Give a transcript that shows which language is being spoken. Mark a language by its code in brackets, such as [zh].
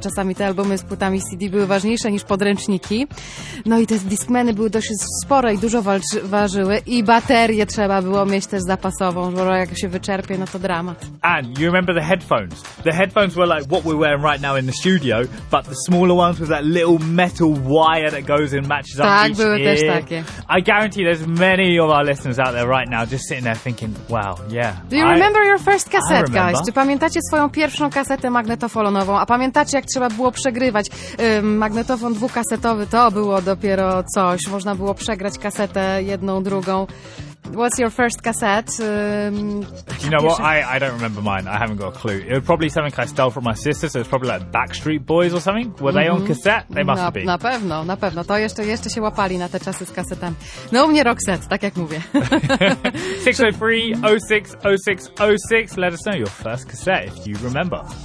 [pl] Czasami te albumy z płytami CD były ważniejsze niż podręczniki. No i te Discmany były dość spore i dużo ważyły. I baterię trzeba było mieć też zapasową, bo jak się wyczerpie, no to dramat. [en] And you remember the headphones? The headphones were like what we're wearing right now in the studio, but the smaller ones with that little metal wire that goes and matches up each ear. [pl] Tak, były też takie. [en] I guarantee there's many of our listeners out there right now just sitting there thinking, wow, yeah. Do you remember your first cassette, guys? [pl] Czy pamiętacie swoją pierwszą kasetę magnetofonową? A pamiętacie, jak trzeba było przegrywać magnetofon dwukasetowy? To było dopiero coś. Można było przegrać kasetę jedną, drugą. [en] What's your first cassette? Do you know what? I don't remember mine. I haven't got a clue. It was probably something I stole from my sister, so it's probably like Backstreet Boys or something. Were they on cassette? They must be. [pl] Na pewno. To jeszcze się łapali na te czasy z kasetami. No, u mnie Roxette, tak jak mówię. 603-06-06-06. [en] Let us know your first cassette if you remember.